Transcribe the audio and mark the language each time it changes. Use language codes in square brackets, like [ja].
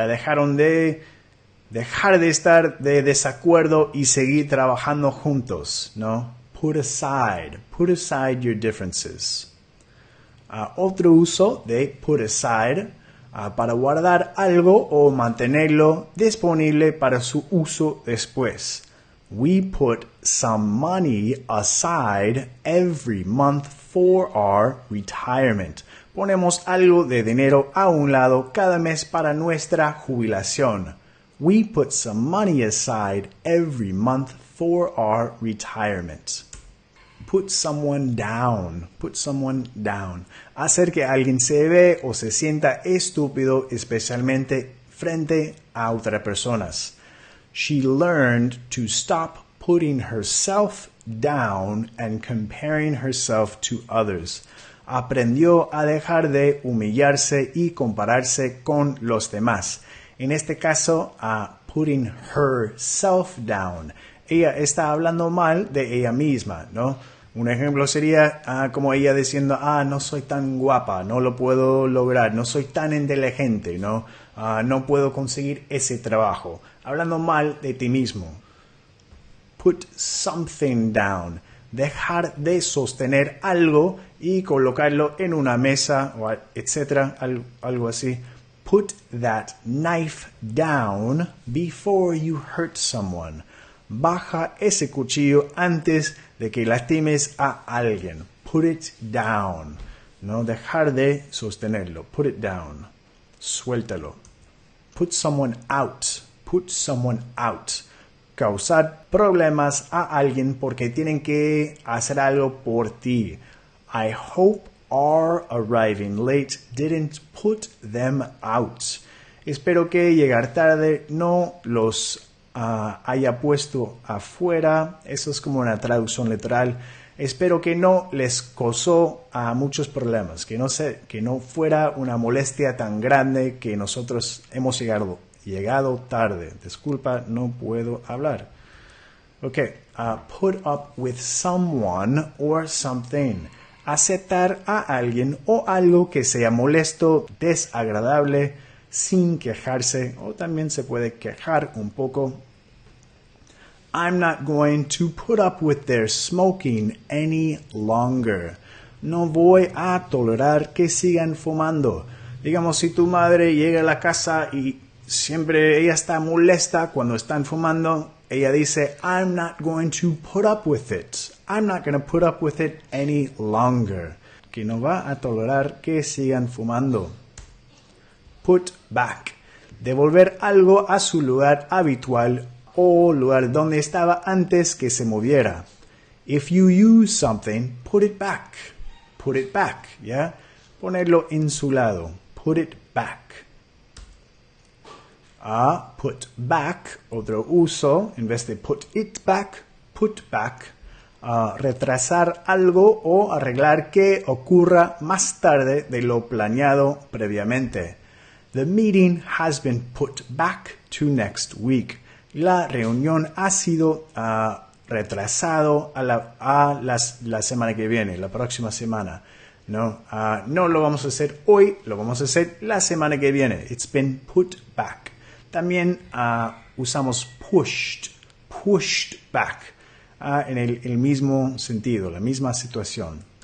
[es] Dejaron de estar de desacuerdo y seguir trabajando juntos, ¿no? [en] Put aside your differences. [es] Otro uso de [en] put aside, [es] para guardar algo o mantenerlo disponible para su uso después. [en] We put some money aside every month for our retirement. [es] Ponemos algo de dinero a un lado cada mes para nuestra jubilación. [en] We put some money aside every month for our retirement. put someone down. Put someone down. [es] Hacer que alguien se ve o se sienta estúpido, especialmente frente a otras personas. [en] She learned to stop putting herself down and comparing herself to others. [es] Aprendió a dejar de humillarse y compararse con los demás. En este caso, a [en] putting herself down. [es] Ella está hablando mal de ella misma, ¿no? Un ejemplo sería como ella diciendo, no soy tan guapa, no lo puedo lograr, no soy tan inteligente, ¿no? No puedo conseguir ese trabajo. Hablando mal de ti mismo. [en] Put something down. [es] Dejar de sostener algo y colocarlo en una mesa, etcétera, algo así. [en] Put that knife down before you hurt someone. [es] Baja ese cuchillo antes de que lastimes a alguien. [en] Put it down. [es] No dejar de sostenerlo. [en] Put it down. [es] Suéltalo. [en] Put someone out. Put someone out. [es] Causar problemas a alguien porque tienen que hacer algo por ti. [en] I hope our arriving late didn't put them out. [es] Espero que llegar tarde no los haya puesto afuera. Eso es como una traducción literal. Espero que no les causó a muchos problemas. Que no fuera una molestia tan grande que nosotros hemos llegado tarde. Disculpa, no puedo hablar. Ok. [en] Put up with someone or something. [es] Aceptar a alguien o algo que sea molesto, desagradable, sin quejarse. O también se puede quejar un poco. [en] I'm not going to put up with their smoking any longer. [es] No voy a tolerar que sigan fumando. Digamos, si tu madre llega a la casa y siempre ella está molesta cuando están fumando, ella dice, [en] I'm not going to put up with it. I'm not going to put up with it any longer. [es] Que no va a tolerar que sigan fumando. [en] Put back. [es] Devolver algo a su lugar habitual o lugar donde estaba antes que se moviera. [en] If you use something, put it back. Put it back, ¿ya? [es] Ponerlo en su lado. [en] Put it back. Put back, [es] otro uso, en vez de [en] put it back, put back. [es] Retrasar algo o arreglar que ocurra más tarde de lo planeado previamente. [en] The meeting has been put back to next week. [es] La reunión ha sido retrasado a la semana que viene, la próxima semana. No lo vamos a hacer hoy, lo vamos a hacer la semana que viene. [en] It's been put back. [es] También usamos [en] pushed back, [es] en el mismo sentido, la misma situación.